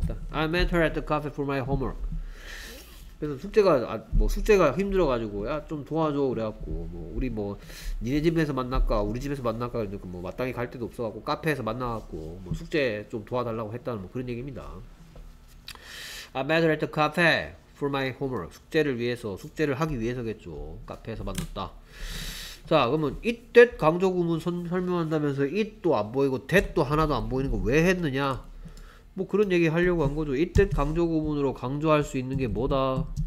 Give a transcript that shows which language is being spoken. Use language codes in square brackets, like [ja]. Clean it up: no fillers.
[en] I mentor at the cafe for my homework. [ko] 그래서 숙제가 힘들어가지고 야 좀 도와줘 그래갖고 뭐 우리 뭐 니네 집에서 만날까 우리 집에서 만날까 그랬는데 뭐 마땅히 갈 데도 없어갖고 카페에서 만나갖고 뭐 숙제 좀 도와달라고 했다는 뭐 그런 얘기입니다. [en] I met her at the cafe for my homework. [ko] 숙제를 하기 위해서겠죠. 카페에서 만났다. 자 그러면 it that 강조구문 설명한다면서 it도 안 보이고 that도 하나도 안 보이는 거 왜 했느냐? 뭐 그런 얘기 하려고 한 거죠. 이때 강조구문으로 강조할 수 있는 게 뭐다?